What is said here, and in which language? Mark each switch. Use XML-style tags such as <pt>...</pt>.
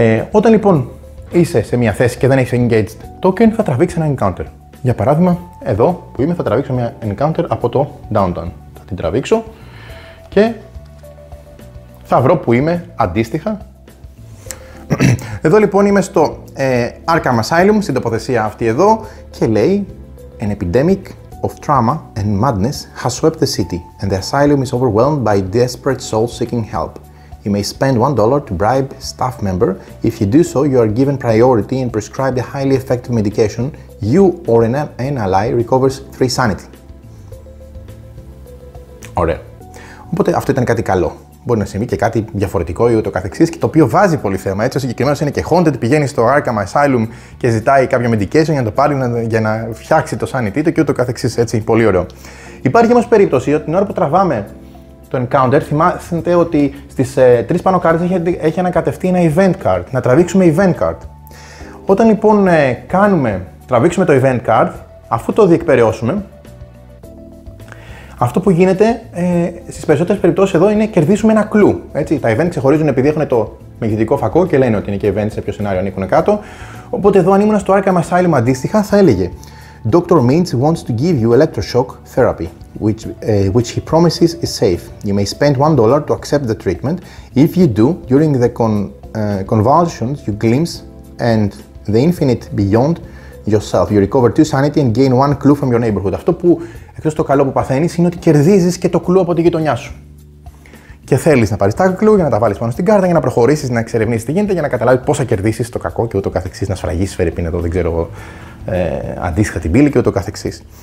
<el>Όταν λοιπόν είσαι σε μια θέση και δεν έχεις engaged token, θα τραβήξεις ένα encounter. Για παράδειγμα, εδώ που είμαι θα τραβήξω μια encounter από το downtown. Θα την τραβήξω και θα βρω που είμαι αντίστοιχα. Εδώ λοιπόν είμαι στο Arkham Asylum, στην τοποθεσία αυτή εδώ, και λέει</el> <en>«An epidemic of trauma and madness has swept the city, and the asylum is overwhelmed by desperate souls seeking help. You may spend $1 to bribe staff member. If you do so, you are given priority and prescribed a highly effective medication. You or an ally recovers 3 sanity».</en> <el>Ωραία. Οπότε αυτό ήταν κάτι καλό. μπορεί να συμβεί και κάτι διαφορετικό ή ούτω καθεξής, και το οποίο βάζει πολύ θέμα. Έτσι, ο συγκεκριμένος είναι και haunted, πηγαίνει στο Arkham Asylum και ζητάει κάποιο medication για να το πάρει για να φτιάξει το sanity του και ούτω καθεξής. Έτσι, πολύ ωραίο. Υπάρχει όμως περίπτωση ότι την ώρα που τραβάμε το encounter, θυμάστε ότι στις τρεις πάνω cards έχει ανακατευτεί ένα event card, να τραβήξουμε event card. Όταν λοιπόν τραβήξουμε το event card, αφού το διεκπεραιώσουμε, αυτό που γίνεται στις περισσότερες περιπτώσεις εδώ είναι κερδίσουμε ένα clue. Έτσι, τα event ξεχωρίζουν επειδή έχουν το μεγεθυντικό φακό και λένε ότι είναι και event σε ποιο σενάριο ανήκουν κάτω. Οπότε εδώ, αν ήμουν στο Arkham Asylum αντίστοιχα, θα έλεγε</el> <en>Dr. Mintz wants to give you electroshock therapy, which he promises is safe. You may spend $1 to accept the treatment. If you do, during the convulsions, you glimpse and the infinite beyond yourself. You recover 2 sanity and gain 1 clue from your neighborhood.</en> <el>Αυτό που, εκτός το καλό που παθαίνεις, είναι ότι κερδίζεις και το clue από τη γειτονιά σου. Και θέλεις να πάρεις τα clue για να τα βάλεις πάνω στην κάρτα, για να προχωρήσεις, να εξερευνήσεις τι γίνεται, για να καταλάβεις πώς θα κερδίσεις το κακό και ούτω καθεξής, να σφραγίσεις φερρυπίν εδώ, δεν ξέρω εγώ, αντίστοιχα την πύλη και ούτω καθεξής.</el>